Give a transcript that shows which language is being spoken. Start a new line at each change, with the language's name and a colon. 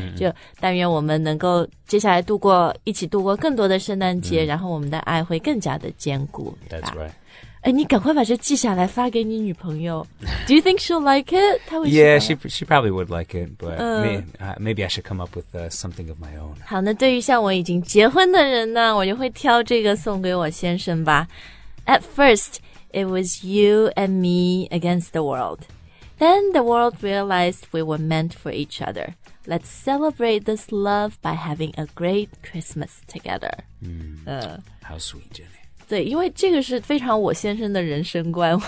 Chinese: 就但愿我们能够接下来度过，一起度过更多的圣诞节，然后我们的爱会更加的坚固。
English: That's right.
Chinese: 哎，你赶快把这记下来发给你女朋友。
English: Do you think she'll like it?
Chinese: 她会喜欢。
English: Yeah, she probably would like it, but maybe I should come up with something of my own.
Chinese: 好，那对于像我已经结婚的人呢，我就会挑这个送给我先生吧。
English: At first, it was you and me against the world. Then the world realized we were meant for each other. Let's celebrate this love by having a great Christmas together. How sweet, Jenny.
Chinese: 对，因为这个是非常我先生的人生观。